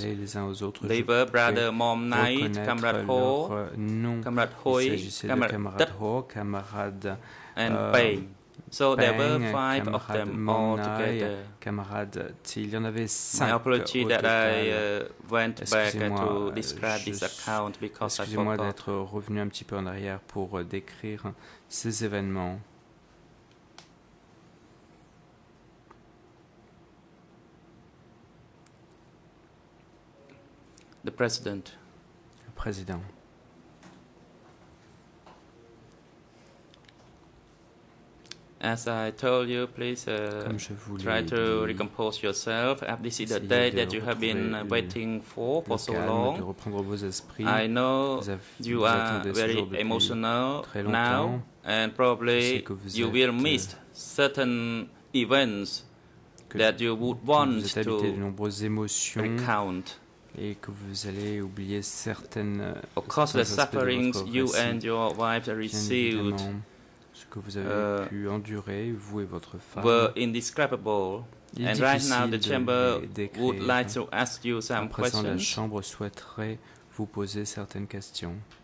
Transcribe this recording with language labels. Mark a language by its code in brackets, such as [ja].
[en] They were Brother Mom Knight, Comrade Ho, Comrade Hui, Comrade and Pei. So there were five of them all together. [fr] Camarade Thiel, il y en avait cinq. [en] My apology that I went back to describe this account because I forgot. [fr] Excusez-moi d'être revenu un petit peu en arrière pour décrire ces événements. [en] The president. [fr] Le président. [en] As I told you, please try to recompose yourself. This is the day that you have been waiting for so long. I know you are very emotional now, and probably you will miss certain events that you would want to recount. [fr] Et que vous allez oublier certaines. [en] Of course, the sufferings you and your wife received. [fr] Ce que vous avez pu endurer, vous et votre femme, [en] were indescribable. And right now, the chamber would like to ask you some questions. [fr] La chambre souhaiterait vous poser certaines questions.